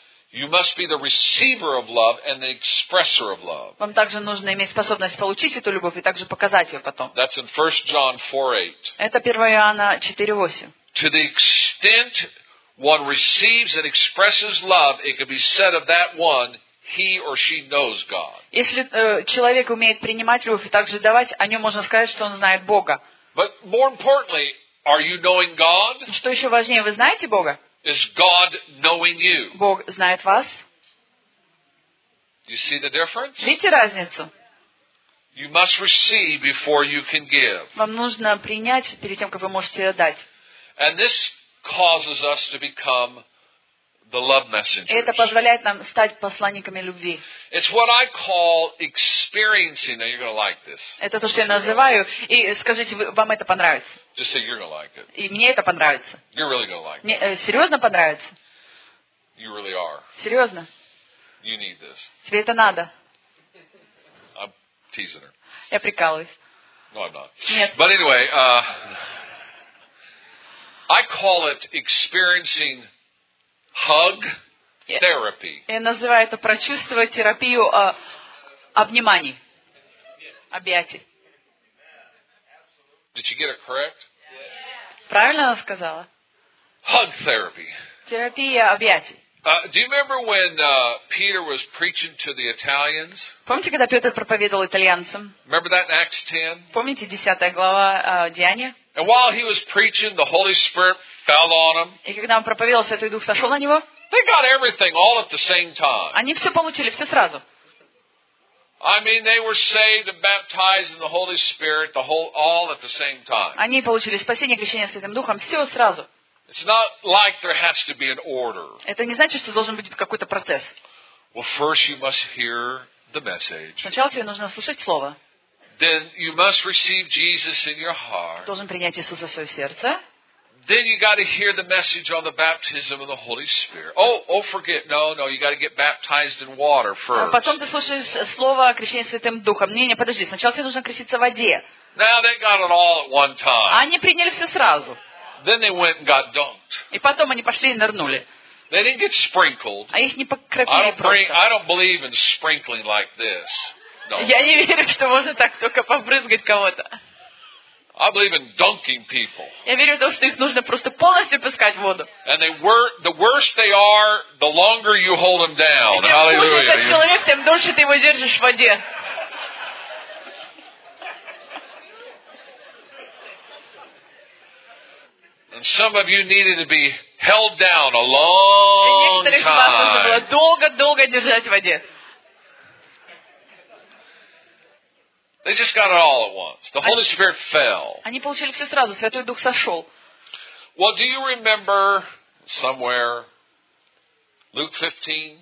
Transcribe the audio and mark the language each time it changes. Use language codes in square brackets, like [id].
[en] you must be the receiver of love and the expresser of love. [ru] Вам также нужно иметь способность получить эту любовь и также показать ее потом. [en] That's in 1 John 4:8. [ru] Это 1 Иоанна 4:8. [en] To the extent one receives and expresses love, it can be said of that one, he or she knows God. [ru] Если человек умеет принимать любовь и также давать, о нем можно сказать, что он знает Бога. [en] But more importantly, are you knowing God? [ru] Что еще важнее, вы знаете Бога? [en] Is God knowing you? [ru] Бог знает вас. [en] You see the difference? [ru] Видите разницу? [en] You must receive before you can give. [ru] Вам нужно принять перед тем, как вы можете дать. [en] And this causes us to become the love messengers. [ru] Это позволяет нам стать посланниками любви. [en] It's what I call experiencing. Now you're going to like this. [ru] Это то, что я называю. И скажите, вам это понравится? [en] Just say you're going to like it. [ru] И мне это понравится. [en] You're really going to like it. [ru] Мне, серьезно понравится? [en] You really are. [ru] Серьезно? [en] You need this. [ru] Тебе это надо. [en] I'm teasing her. [ru] Я прикалываюсь. [en] No, I'm not. [ru] Нет. [en] But anyway, I call it experiencing hug therapy. [ru] Я называю это прочувствовать терапию обниманий. Объятий. [en] Did you get it correct? [ru] Правильно она сказала? [en] Hug therapy. [ru] Терапия объятий. [en] Do you remember when Peter was preaching to the Italians? [ru] Помните, когда Петр проповедовал итальянцам? [en] Remember that in Acts 10? [ru] Помните 10 глава Деяния? [en] And while he was preaching, the Holy Spirit fell on him. [ru] И когда он проповедовал, Святой Дух сошел на него? [en] They got everything all at the same time. [ru] Они все получили, все сразу. [en] I mean, they were saved and baptized in the Holy Spirit, the whole, all at the same time. [ru] Они получили спасение, крещение Святым Духом, все сразу. [en] It's not like there has to be an order. [ru] Это не значит, что должен быть какой-то процесс. [en] Well, first you must hear the message. [ru] Сначала тебе нужно слушать слово. [en] Then you must receive Jesus in your heart. [ru] Должен принять Иисуса в свое сердце. [en] Then you got to hear the message on the baptism of the Holy Spirit. Oh, forget, no, you got to get baptized in water first. [ru] Потом ты слушаешь слово о крещении Святым Духом. Не, подожди, сначала тебе нужно креститься в воде. [en] Now they got it all at one time. [ru] Они приняли все сразу. [en] Then they went and got dunked. [ru] И потом они пошли и нырнули. [en] They didn't get sprinkled. [ru] А их не покропили просто. [en] I don't believe in sprinkling like this. No. [ru] Я не верю, что можно так только побрызгать кого-то. [en] I believe in dunking people. [ru] Я верю в то, что их нужно просто полностью пускать в воду. [en] And the worse they are, the longer you hold them down. [ru] И чем хуже этот человек, тем дольше ты его держишь в воде. [en] And some of you needed to be held down a long time. [ru] И некоторых вас нужно было долго-долго держать в воде. [en] They just got it all at once. The Holy Spirit fell. [ru] Они получили все сразу. Святой Дух сошел. [en] Well, do you remember somewhere Luke 15?